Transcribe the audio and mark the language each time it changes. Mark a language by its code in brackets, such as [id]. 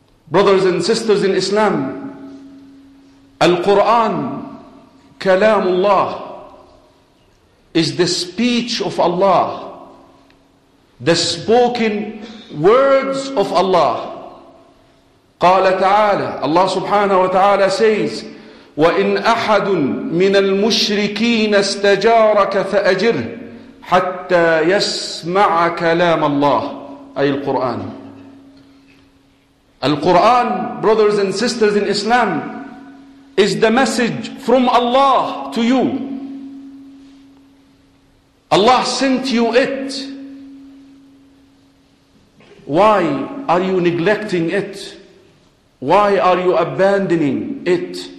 [en] Brothers and sisters in Islam, Al-Quran, Kalamullah, is the speech of Allah, the spoken words of Allah. [ar] قَالَ تَعَالَى [en] Allah subhanahu wa ta'ala says, [ar] وَإِنْ أَحَدٌ مِنَ الْمُشْرِكِينَ اسْتَجَارَكَ فَأَجِرْهِ حَتَّى يَسْمَعَ كَلَامَ اللَّهِ أي Al-Quran. [en] Al-Quran, brothers and sisters in Islam, is the message from Allah to you. Allah sent you it. Why are you neglecting it? Why are you abandoning it?